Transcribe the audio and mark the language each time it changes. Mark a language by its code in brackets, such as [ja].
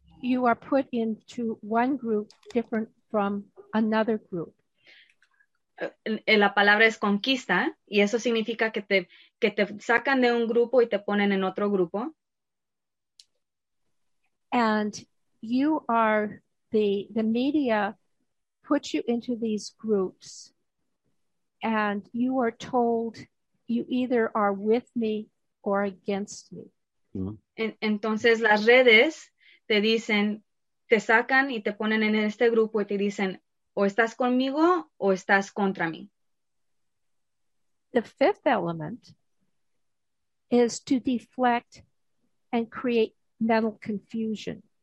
[en] you are put into one group different from another group. [es] La palabra es conquista y eso significa que te sacan de un grupo y te ponen en otro grupo. [en] And you are the media puts you into these groups and you are told you either are with me or against me. [es] Entonces las redes te dicen, te sacan y te ponen en este grupo y te dicen o estás conmigo o estás contra mí. [en] The fifth element is to deflect and create mental confusion.